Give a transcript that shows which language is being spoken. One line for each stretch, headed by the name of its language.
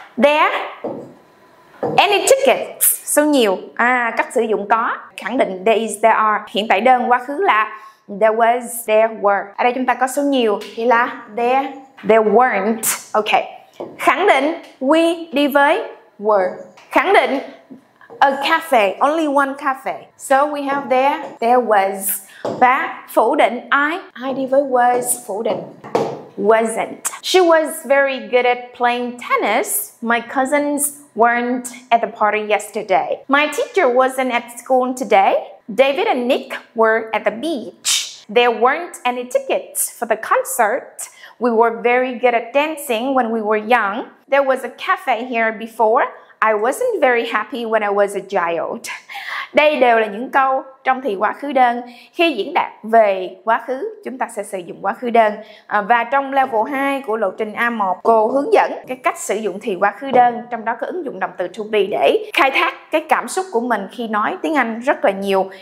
English: There, any tickets,
Vietnamese: số nhiều. À, cách sử dụng có, khẳng định,
English: there is, there are.
Vietnamese: Hiện tại đơn, quá khứ là,
English: there was, there were.
Vietnamese: Ở đây chúng ta có số nhiều, thì là,
English: there, there weren't.
Vietnamese: Ok, khẳng định, we đi với, were. Khẳng định,
English: a cafe, only one cafe. So we have there, there was.
Vietnamese: Và phủ định I đi với was, phủ định wasn't.
English: She was very good at playing tennis. My cousins weren't at the party yesterday. My teacher wasn't at school today. David and Nick were at the beach. There weren't any tickets for the concert. We were very good at dancing when we were young. There was a cafe here before. I wasn't very happy when I was a child.
Vietnamese: Đây đều là những câu trong thì quá khứ đơn. Khi diễn đạt về quá khứ, chúng ta sẽ sử dụng quá khứ đơn. Và trong level 2 của lộ trình A1, cô hướng dẫn cái cách sử dụng thì quá khứ đơn, trong đó có ứng dụng động từ to be để khai thác cái cảm xúc của mình khi nói tiếng Anh rất là nhiều.